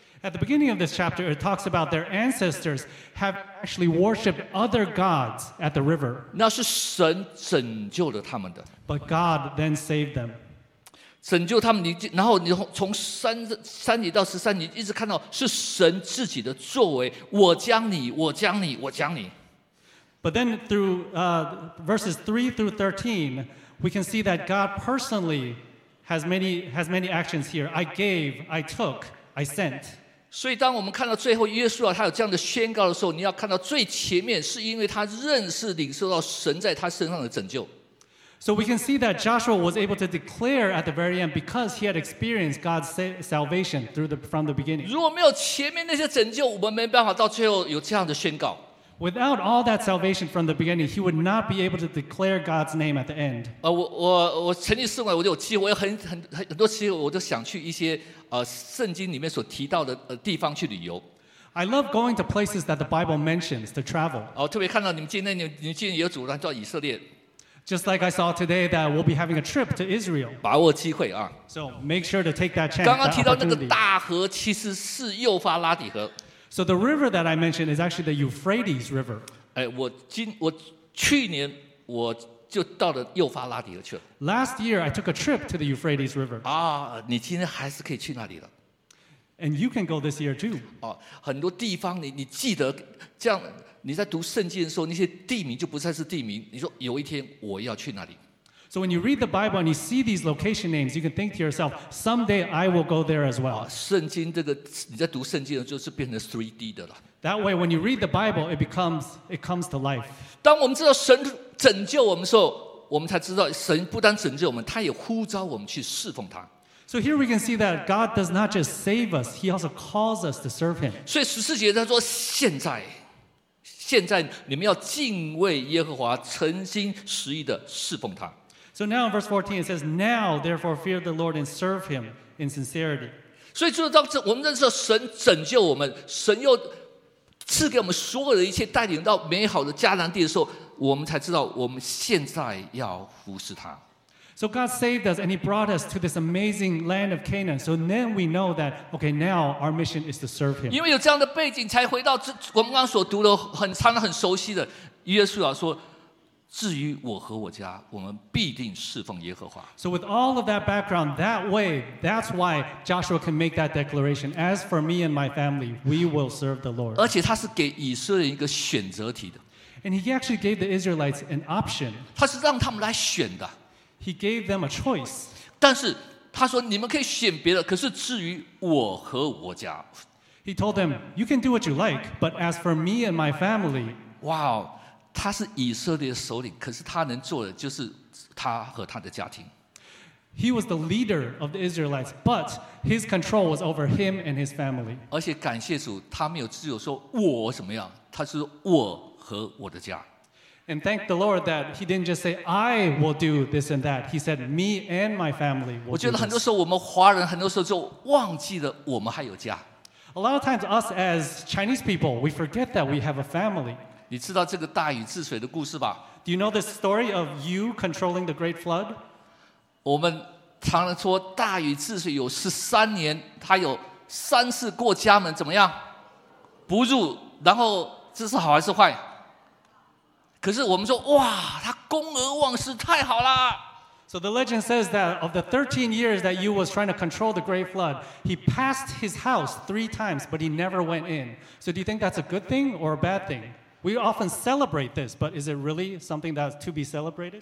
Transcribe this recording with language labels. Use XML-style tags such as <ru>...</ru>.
<en>At the beginning of this chapter, it talks about their ancestors have actually worshipped other gods at the river.</en> <zh>那是神拯救了他们的。</zh> <en>But God then saved them.</en> <zh>拯救他们，然后你从三节到十三节，一直看到是神自己的作为。我将你，我将你，我将你。</zh> <en>But then through verses 3-13, we can see that God personally. Has many actions here. I gave, I took, I sent.</en> <zh>所以当我们看到最后约书亚他有这样的宣告的时候，你要看到最前面是因为他认识领受到神在他身上的拯救。</zh> <en>So we can see that Joshua was able to declare at the very end because he had experienced God's salvation from the beginning.</en> <zh>如果没有前面那些拯救，我们没办法到最后有这样的宣告。</zh> <en>Without all that salvation from the beginning, he would not be able to declare God's name at the end.</en> <zh>我曾经试过，我有机会，我有很多机会，我都想去一些圣经里面所提到的地方去旅游。</zh> <en>I love going to places that the Bible mentions to travel.</en> <zh>哦，特别看到你们今天，你今天有组团到以色列。</zh> <en>Just like I saw today that we'll be having a trip to Israel.</en> <zh>把握机会啊</zh> <en>！So make sure to take that chance.</en> <zh>刚刚提到那个大河其实是幼发拉底河。</zh> <en>So the river that I mentioned is actually the Euphrates River.</en> <zh>哎，我去年我就到了幼发拉底河去了。</zh> <en>Last year I took a trip to the Euphrates River.</en> <zh>啊，你今天还是可以去那里的。</zh> <en>And you can go this year too.</en> <zh>哦，很多地方你记得，这样你在读圣经的时候，那些地名就不再是地名。你说有一天我要去那里。</zh> <en>So when you read the Bible and you see these location names, you can think to yourself, someday I will go there as well.</en> <zh>圣经这个你在读圣经的时候就是变成 3D 的了。</zh> <en>That way, when you read the Bible, it comes to life.</en> <zh>当我们知道神拯救我们的时候，我们才知道神不单拯救我们，他也呼召我们去侍奉他。</zh> <en>So here we can see that God does not just save us; He also calls us to serve Him.</en> <zh>所以十四节他说现在。现在你们要敬畏耶和华，诚心实意的侍奉他。</zh> <en>So now in verse 14 it says, "Now therefore fear the Lord and serve Him in sincerity."</en> <zh>所以就是当我们认识神拯救我们，神又赐给我们所有的一切，带领到美好的迦南地的时候，我们才知道我们现在要服侍他。</zh> <en>So God saved us and He brought us to this amazing land of Canaan. So then we know that, okay, now our mission is to serve Him.</en> <zh>因为有这样的背景，才回到我们刚刚所读的很长很熟悉的约书亚说。至于我和我家，我们必定侍奉耶和华。</zh> <en>So with all of that background, that way, that's why Joshua can make that declaration. As for me and my family, we will serve the Lord.</en> <zh>而且他是给以色列一个选择题的。</zh> <en>And he actually gave the Israelites an option.</en> <zh>他是让他们来选的。</zh> <en>He gave them a choice.</en> <zh>但是他说你们可以选别的，可是至于我和我家。</zh> <en>He told them, you can do what you like, but as for me and my family. Wow.</en> <zh>他是以色列首领，可是他能做的就是他和他的家庭。</zh> <en>He was the leader of the Israelites, but his control was over him and his family.</en> <zh>而且感谢主，他没有只有说我怎么样，他是说我和我的家。</zh> <en>And thank the Lord that he didn't just say, I will do this and that. He said, me and my family will do this.</en> <zh>我觉得很多时候我们华人很多时候就忘记了我们还有家。</zh> <en>A lot of times us as Chinese people, we forget that we have a family.</en> <zh>你知道这个大禹治水的故事吧?</zh> <en>Do you know the story of you controlling the great flood?</en> <zh>我们常常说大禹治水有13年,他有三次过家门,怎么样? 不入,然后这是好还是坏?可是我们说,哇,他功而忘失,太好了!</zh> <en>So the legend says that of the 13 years that Yu was trying to control the great flood, he passed his house 3 times, but he never went in. So do you think that's a good thing or a bad thing? We often celebrate this, but is it really something that's to be celebrated?</en>